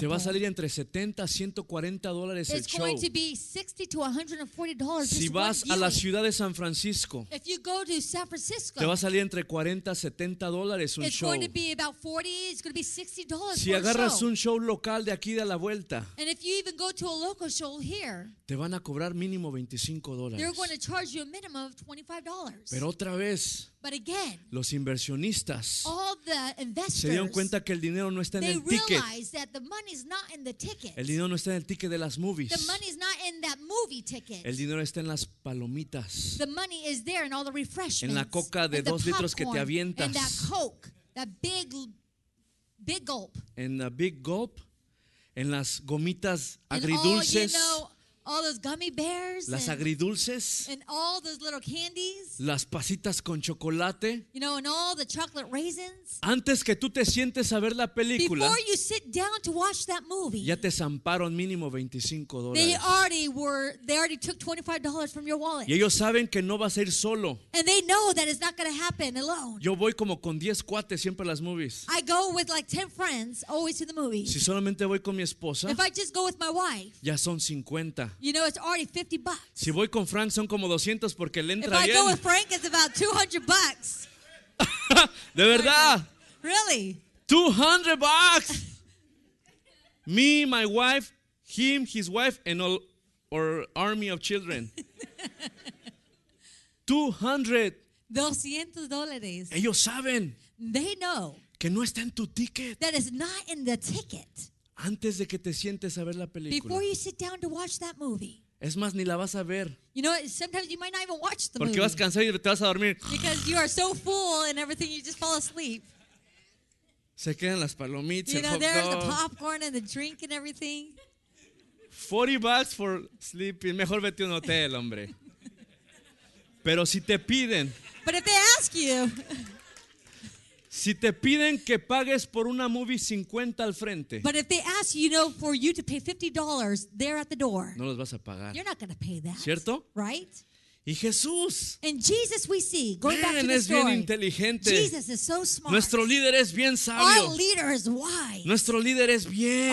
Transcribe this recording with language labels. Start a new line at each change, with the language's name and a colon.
Spanish: te va a salir entre $70 a $140 el show.
English: It's going to be $60 to $140.
Spanish: Si vas a la ciudad de San Francisco,
English: if you go to San Francisco,
Spanish: te va a salir entre $40 a $70 un show.
English: It's going to be about $40. It's going to be $60.
Spanish: Si agarras un show local de aquí de la vuelta,
English: and if you even go to a local show here,
Spanish: te van a cobrar mínimo $25.
English: They're going to charge you a minimum of $25.
Spanish: Pero otra vez,
English: but again,
Spanish: los inversionistas,
English: all the investors,
Spanish: se dieron cuenta que el dinero no está en el ticket.
English: They realize that the money is not in the ticket.
Spanish: El dinero no está en el ticket de las movies.
English: The money is not in that movie ticket.
Spanish: El dinero está en las palomitas.
English: The money is there in all the refreshments.
Spanish: En la coca de 2 litros que te avientas.
English: In that coke, that big gulp.
Spanish: En la big gulp, en las gomitas agridulces.
English: All those gummy bears,
Spanish: las agridulces,
English: and all those little candies,
Spanish: las pasitas con chocolate,
English: you know, and all the chocolate raisins.
Spanish: Antes que tú te sientes a ver la película,
English: before you sit down to watch that movie,
Spanish: ya te zamparon mínimo $25.
English: They already took $25 from your wallet.
Spanish: Y ellos saben que no vas a ir solo.
English: And they know that it's not going to happen alone.
Spanish: Yo voy como con 10 cuates siempre a las movies.
English: I go with like 10 friends always to the movies.
Spanish: Si solamente voy con mi esposa,
English: if I just go with my wife,
Spanish: ya son 50.
English: You know, it's already $50.
Spanish: Si voy con Frank son como 200 porque le entra bien.
English: I go with Frank it's about $200.
Spanish: De verdad.
English: Really?
Spanish: $200.
English: Me, my wife, him, his wife and all our army of children.
Spanish: $200. Ellos saben.
English: They know.
Spanish: Que no está en tu ticket.
English: That is not in the ticket.
Spanish: Antes de que te sientes a ver la película.
English: Before you sit down to watch that movie.
Spanish: Es más, ni la vas a ver.
English: You know, sometimes you might not even watch the
Spanish: porque
English: movie.
Spanish: Porque vas cansado y te vas a dormir.
English: Because you are so full and everything, you just fall asleep.
Spanish: Se quedan las palomitas.
English: You know, there's the popcorn and the drink and everything. $40 for sleeping.
Spanish: Mejor vete a un hotel, hombre. Pero si te piden.
English: But if they ask you.
Spanish: Si te piden que pagues por una movie 50 al frente.
English: But if they ask you, you know, for you to pay $50 there at the door.
Spanish: No los vas a pagar.
English: You're not going to pay that.
Spanish: ¿Cierto?
English: Right?
Spanish: Y Jesús.
English: And Jesus we see going back to the story.
Spanish: Es bien inteligente.
English: Jesus is so smart.
Spanish: Nuestro líder es bien sabio.
English: Our leader is wise.
Spanish: Nuestro líder es bien,